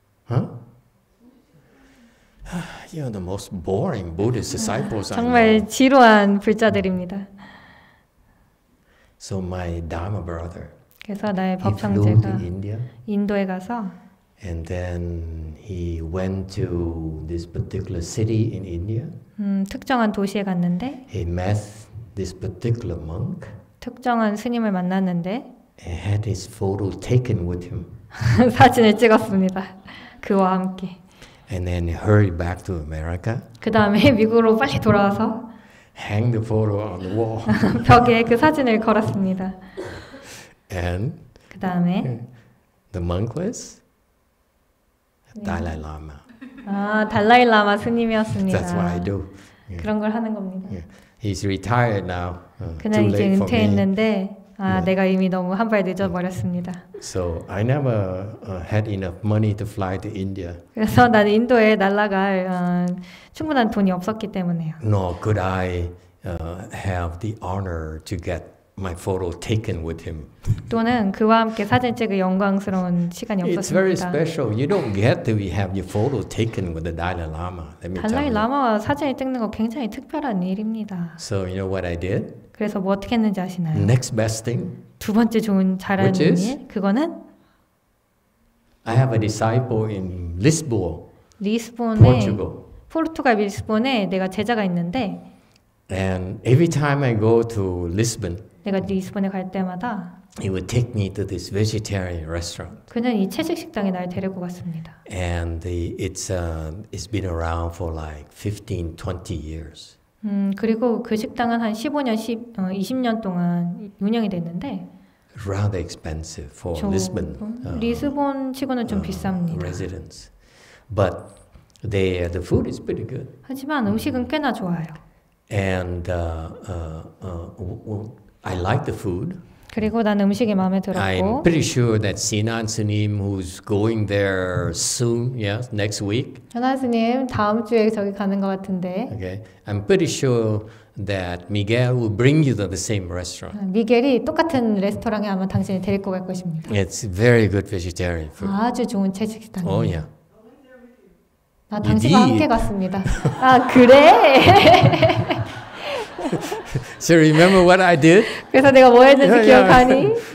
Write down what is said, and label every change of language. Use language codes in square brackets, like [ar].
[en] Huh? You're the most boring Buddhist disciples. [ko] 정말 지루한 불자들입니다. [en] So my Dharma brother. [ko] 그래서 나의 법형제가 인도에 가서 [en] And then he went to this particular city in India. [ko] 특정한 도시에 갔는데 [en] He met this particular monk. [ko] 특정한 스님을 만났는데 [en] And had his photo taken with him. [ko] 사진을 찍었습니다. 그와 함께. [en] And then he hurried back to America. [ko] 그다음에 미국으로 빨리 돌아와서 [en] hang the photo on the wall. [ko] 벽에 그 사진을 걸었습니다. [en] And [ko] 그다음에 [en] the monk was 달라이 라마. [ko] 아, 달라이 라마 스님이었습니다. [en] That's what I do. [ko] 그런 걸 하는 겁니다. [en] He's retired now. [ko] 그는 이제 은퇴했는데 아, 내가 이미 너무 한 발 늦어버렸습니다. [en] So I never had enough money to fly to India. [ko] 그래서 난 인도에 날아갈 충분한 돈이 없었기 때문에요. [en] Nor could I have the honor to get my photo taken with him. [ko] 또는 그와 함께 사진 찍을 영광스러운 시간이 없었습니다. [en] It's very special. You don't get to have your photo taken with the Dalai Lama. Let me tell you. [ko] 달라이 라마와 사진을 찍는 거 굉장히 특별한 일입니다. [en] So you know what I did? [ko] 그래서 뭐 어떻게 했는지 아시나요? [en] Next best thing. [ko] 두 번째 좋은 잘하는 일 그거는 [en] I have a disciple in Lisbon. [ko] 리스본에 포르투갈. 포르투갈 리스본에 내가 제자가 있는데 [en] And every time I go to Lisbon. [ko] 내가 리스본에 갈 때마다 [en] He would take me to this vegetarian restaurant. [ko] 그는 이 채식 식당에 날 데리고 갔습니다. [en] And it's been around for like 15 20 years. [ko] 그리고 그 식당은 한 15년, 20년 동안 운영이 됐는데 [en] Rather expensive for Lisbon. [ko] 리스본 치고는 좀 비쌉니다. [en] Residents. But they the food is pretty good. [ko] 하지만 음식은 꽤나 좋아요. [en] And I like the food. [ko] 그리고 난 음식이 마음에 들었고 [en] I'm pretty sure that Sinan Sunim who's going there soon, yes, next week. [ko] 현아 스님 다음 주에 저기 가는 것 같은데. [en] Okay. I'm pretty sure that Miguel will bring you to the same restaurant. [ko] 미겔이 똑같은 레스토랑에 아마 당신을 데리고 갈 것입니다. [en] It's very good vegetarian food. [ko] 아주 좋은 채식 식당이에요. [en] Oh yeah. [ko] 나 당신과 함께 갔습니다. 아, 그래? [en] So remember what I did? [ko] 그래서 내가 뭐 했는지 기억하니?